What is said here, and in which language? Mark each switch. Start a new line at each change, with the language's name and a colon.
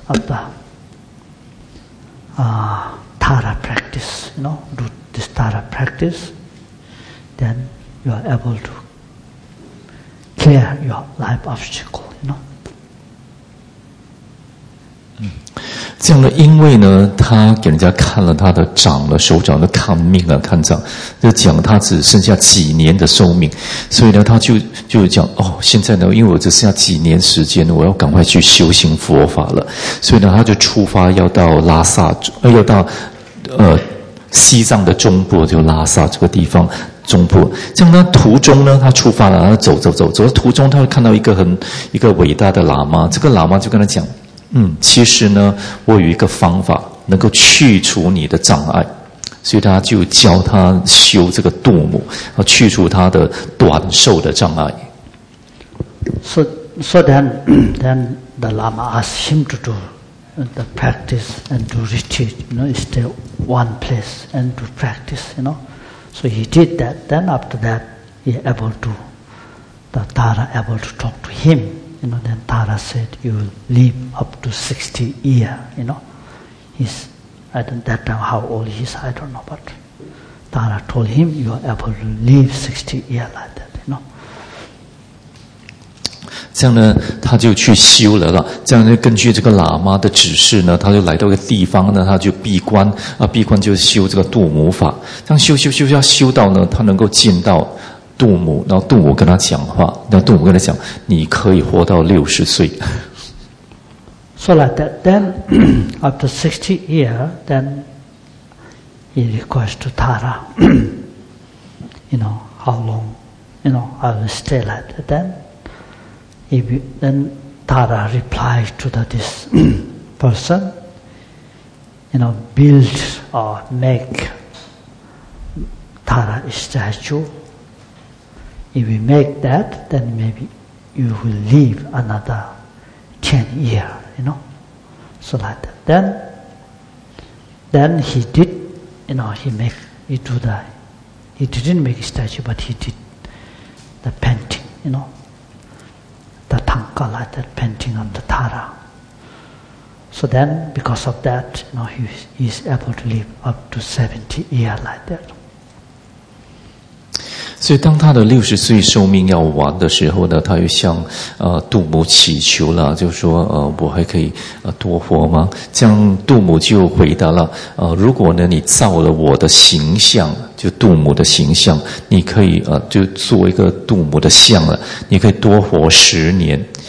English: Do this Tara practice, then you are able to clear your life obstacle, you know.
Chinese: 这样的，因为呢，他给人家看了他的掌了，手掌的看命啊，看掌，就讲他只剩下几年的寿命，所以呢，他就讲哦，现在呢，因为我只剩下几年时间，我要赶快去修行佛法了，所以呢，他就出发要到拉萨，要到西藏的中部，就拉萨这个地方。中部，这样他途中呢，他出发了，他走，途中他会看到一个伟大的喇嘛，这个喇嘛就跟他讲，其实呢，我有一个方法能够去除你的障碍，所以他就教他修这个度母，去除他的短寿的障碍。
English: So then the Lama asked him to do the practice and to retreat, you know, stay one place and to practice, you know. So he did that. Then after that, he able to, the Tara able to talk to him. You know, then Tara said, you will live up to 60 years, you know. He's, I don't, that time how old he is, I don't know, but Tara told him, you are able to live 60 years like that, you know.
Chinese: 这样呢，他就去修了了。这样呢，根据这个喇嘛的指示呢，他就来到一个地方呢，他就闭关啊，闭关就修这个度母法。这样修，要修到呢，他能够见到度母，然后度母跟他讲话，然后度母跟他讲，你可以活到60岁。
English: So like that, then after 60 years, then he requests to Tara, you know, how long, you know, I will stay like that then. Then Tara replied to this person, you know, build or make Tara statue. If we make that, then maybe you will live another 10 years, you know. So like that. Then he did, you know, he didn't make a statue, but he did the painting, you know. The Tanka, like that painting on the Tara. So then, because of that, you know, he is able to live up to 70 years like that.
Chinese: 所以当他的60岁寿命要完的时候呢，他又向杜母祈求了，就说我还可以多活吗？这样杜母就回答了，如果呢你造了我的形象，就杜母的形象，你可以就做一个杜母的像了，你可以多活10年。